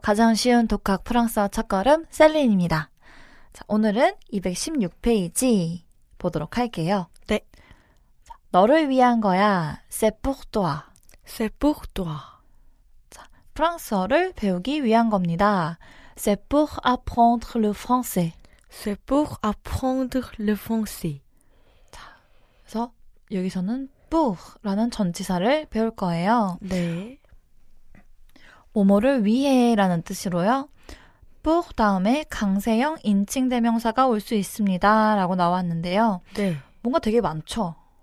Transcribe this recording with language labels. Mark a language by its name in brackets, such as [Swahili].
[Korean] 가장 쉬운 독학 프랑스어 첫걸음 셀린입니다. 자, 오늘은 216페이지 보도록 할게요. 너를 위한 거야. [French] C'est pour toi. C'est pour toi. [Korean] 자, 프랑스어를 배우기 위한 겁니다. [French] C'est pour apprendre le français. C'est pour apprendre le français. [Korean] 그래서 여기서는 pour라는 전치사를 배울 거예요. 네. 뭐뭐를 위해라는 뜻으로요. pour 다음에 강세형 인칭 대명사가 올수 있습니다라고 나왔는데요. 네. 뭔가 되게 많죠?